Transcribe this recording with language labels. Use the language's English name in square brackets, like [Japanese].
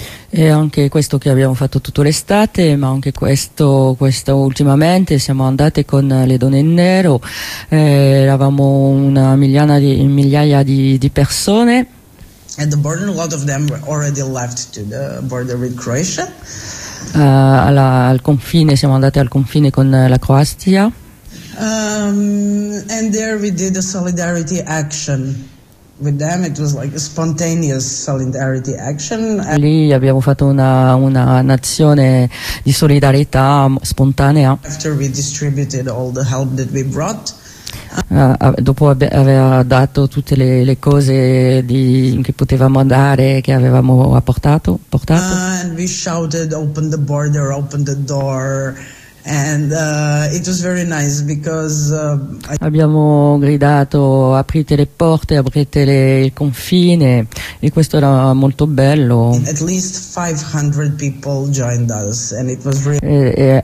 [Italian] E anche questo che abbiamo fatto tutta l'estate, ma anche questo ultimamente siamo andate con le donne in nero, eravamo una migliaia di persone. [English] At the border, a lot of them were already left to the border with Croatia. [Italian] Al confine, siamo andate al confine con la Croazia. [English] And there we did a solidarity action with them. It was like a spontaneous solidarity action. [Italian] Lì abbiamo fatto una azione di solidarietà spontanea. [English] After we distributed all the help that we brought. [Italian] Dopo aver dato tutte le cose che potevamo dare, che avevamo portato. [English] And we shouted, open the border, open the door. And it was very nice because [Italian] abbiamo gridato aprite le porte, aprite il confine, e questo era molto bello. [English] At least 500 people joined us and it was really